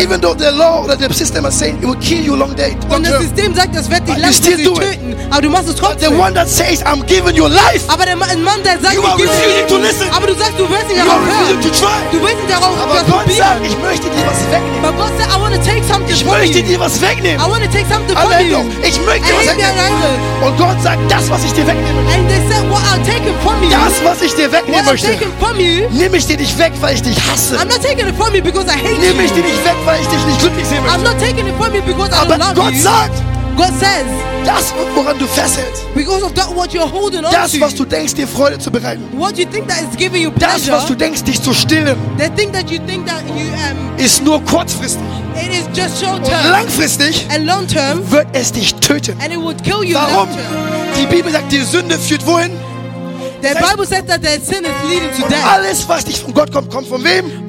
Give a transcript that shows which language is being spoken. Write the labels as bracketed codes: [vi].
[en] Even though the law or the system is saying it will kill you long day. [de] Und das System sagt, das wird dich langfristig töten. Aber du machst es trotzdem. [en] But the one that says I'm giving you life. [de] Aber der Mann, der sagt, [en] you are refusing to listen. [de] Aber du sagst, du willst nicht darauf hören. [en] You are refusing to try. [de] Du willst nicht darauf hören. Aber Gott sagt, ich möchte dir was wegnehmen. [en] But God said, I want to take something from you. [de] Ich möchte dir was wegnehmen. [en] I want to take something from [de] ich möchte dir was wegnehmen. Und Gott sagt, das, was ich dir wegnehmen möchte, das, was ich dir wegnehmen möchte, nehme ich dir nicht weg, weil ich dich hasse. [en] I'm not taking it from you because I hate you. [de] Nehme ich dir nicht weg, weil ich dich nicht glücklich sehen möchte. [en] I'm not taking it from you because I don't love you. [de] Aber Gott sagt, [en] God says, [de] das, woran du fesselst, [en] because of that what you're holding on to, [de] das, was du denkst, dir Freude zu bereiten, [en] what you think that is giving you pleasure, [de] das, was du denkst, dich zu stillen, [en] the thing that you think that you [de] ist nur kurzfristig. [en] It is just short term. [de] Und langfristig [en] and long term [de] wird es dich töten. [en] And it would kill you. [de] Warum? Die Bibel sagt, die Sünde führt wohin? [en] The Bible says that their sin is leading to [de] und [en] death. [de] Alles, was dich von Gott kommt, kommt von wem?